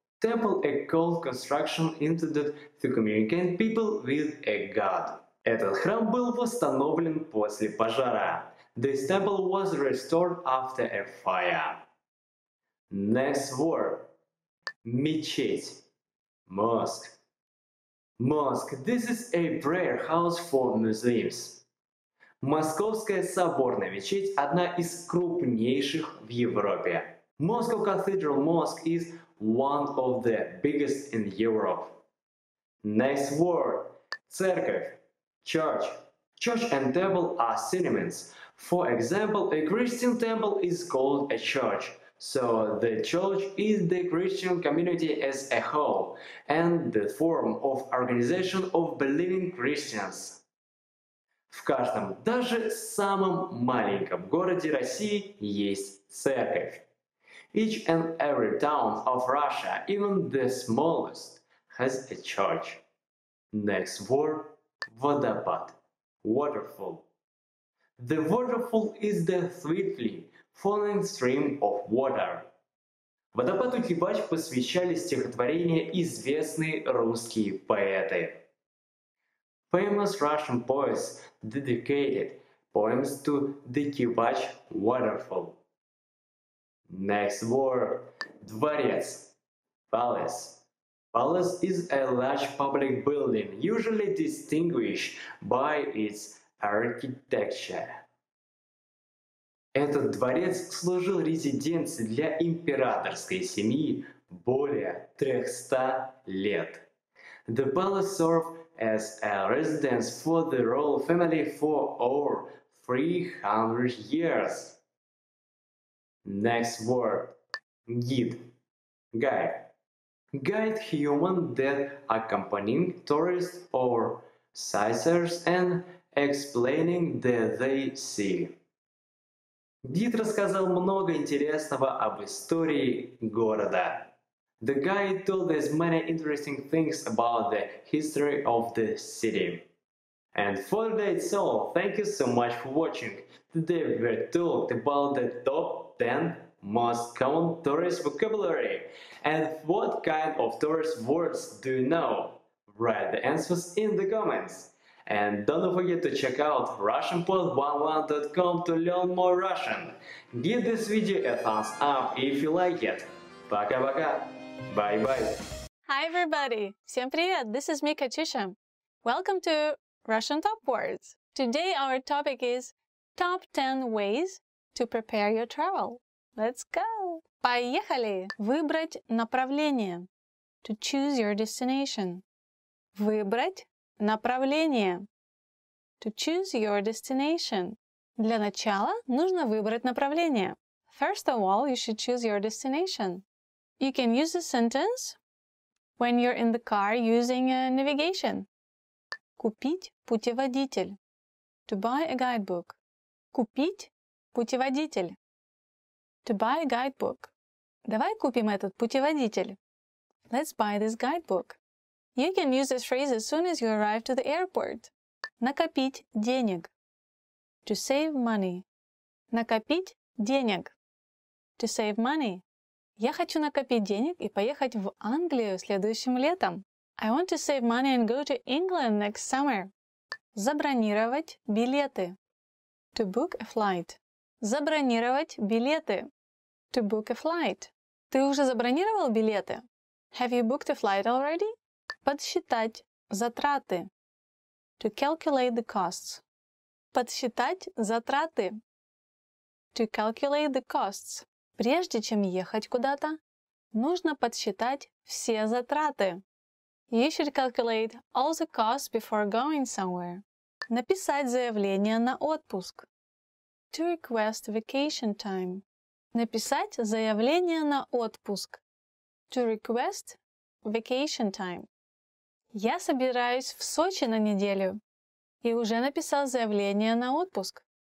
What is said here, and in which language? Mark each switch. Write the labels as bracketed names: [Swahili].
[English] Temple, a cult construction intended to communicate people with a god. [Russian] Этот храм был восстановлен после пожара. [English] This temple was restored after a fire. Next word. Мечеть. Mosque. Mosque. This is a prayer house for Muslims. [Russian] Московская соборная мечеть – одна из крупнейших в Европе. [English] Moscow Cathedral Mosque is one of the biggest in Europe. Next word. Церковь. Church. Church and temple are synonyms. For example, a Christian temple is called a church. So the church is the Christian community as a whole and the form of organization of believing Christians. [Russian] В каждом, даже самом маленьком городе России есть церковь. [English] Each and every town of Russia, even the smallest, has a church. Next word. Водопад. Waterfall. The waterfall is the swiftly falling stream of water. [Russian] Водопаду Кибач посвящали стихотворения известные русские поэты. [English] Famous Russian poets dedicated poems to the Кибач waterfall. Next word. Дворец. Palace. Palace is a large public building, usually distinguished by its architecture. [Russian] Этот дворец служил резиденцией для императорской семьи более 300 лет. [English] The palace served as a residence for the royal family for over 300 years. Next word. Гид. Guide. Guide human that accompanying tourists or sightseers and explaining the they see. [Russian] Гид рассказал много интересного об истории города. [English] The guide told us many interesting things about the history of the city. And for that's all. Thank you so much for watching. Today we talked about the top 10 most common tourist vocabulary. And what kind of tourist words do you know? Write the answers in the comments. And don't forget to check out RussianPod11.com to learn more Russian. Give this video a thumbs up if you like it. [Russian] Пока-пока. [English] Bye-bye. Hi, everybody. [Russian] Всем привет. [English] This is Mika Chisham. Welcome to Russian Top Words. Today our topic is Top 10 Ways to Prepare Your Travel. Let's go! [Russian] Поехали! Выбрать направление. [English] To choose your destination. [Russian] Выбрать направление. [English] To choose your destination. [Russian] Для начала нужно выбрать направление. [English] First of all, you should choose your destination. You can use a sentence when you're in the car using a navigation. [Russian] Купить путеводитель. [English] To buy a guidebook. [Russian] Купить путеводитель. [English] To buy a guidebook. [Russian] Давай купим этот путеводитель. [English] Let's buy this guidebook. You can use this phrase as soon as you arrive to the airport. [Russian] Накопить денег. [English] To save money. [Russian] Накопить денег. [English] To save money. [Russian] Я хочу накопить денег и поехать в Англию следующим летом. [English] I want to save money and go to England next summer. [Russian] Забронировать билеты. [English] To book a flight. [Russian] Забронировать билеты. [English] To book a flight. [Russian] Ты уже забронировал билеты? [English] Have you booked a flight already? [Russian] Подсчитать затраты. [English] To calculate the costs. [Russian] Подсчитать затраты. [English] To calculate the costs. [Russian] Прежде чем ехать куда-то, нужно подсчитать все затраты. [English] You should calculate all the costs before going somewhere. [Russian] Написать заявление на отпуск. [English] To request vacation time. [Russian] Написать заявление на отпуск. [English] To request vacation time. [Russian] Я собираюсь в Сочи на неделю. И уже написал заявление на отпуск.